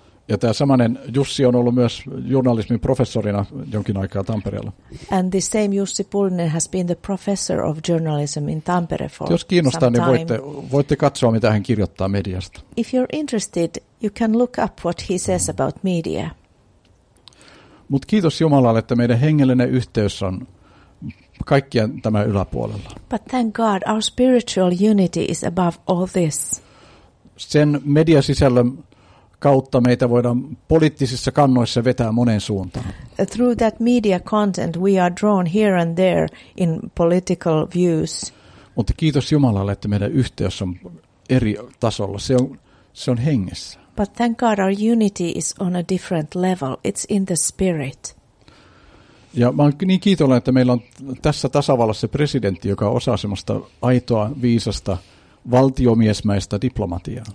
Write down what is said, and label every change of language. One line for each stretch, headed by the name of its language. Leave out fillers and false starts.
Finnish: Ja tämä samainen Jussi on ollut myös journalismin professorina jonkin aikaa Tampereella.
English: And the same Jussi Pullinen has been the professor of journalism in Tampere for some time.
Finnish: Jos kiinnostaa, niin voitte katsoa, mitä hän kirjoittaa mediasta.
English: If you're interested, you can look up what he says about media.
Finnish: Mut kiitos Jumalalle, että meidän hengellinen yhteys on kaikkia tämä yläpuolella.
English: But thank God, our spiritual unity is above all this.
Finnish: Sen mediasisällön kautta meitä voidaan poliittisissa kannoissa vetää moneen suuntaan.
English: Through that media content we are drawn here and there in political views.
Finnish: Mutta kiitos Jumalalle, että meidän yhteys on eri tasolla. Se on hengessä.
English: But thank God, our unity is on a different level. It's in the spirit.
Finnish: Ja mä oon niin kiitollinen, että meillä on tässä tasavallassa presidentti, joka osaa semmoista aitoa, viisasta, valtiomiesmäistä diplomatiaa.